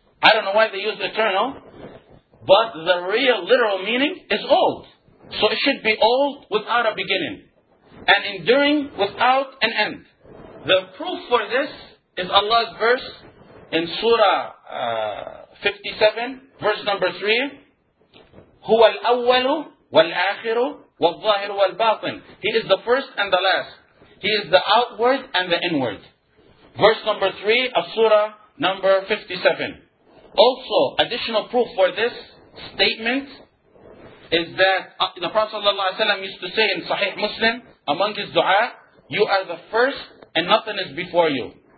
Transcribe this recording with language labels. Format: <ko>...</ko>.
<en>I don't know why they use eternal, but the real literal meaning is old. So it should be old without a beginning, and enduring without an end. The proof for this is Allah's verse in Surah 57, verse number 3.</en> <ar>هو الأول والآخر والظاهر والباطن.</ar> <en>He is the first and the last. He is the outward and the inward. Verse number 3 of Surah number 57. Also, additional proof for this statement is that the Prophet ﷺ used to say in Sahih Muslim, among his dua, you are the first and nothing is before you.</en>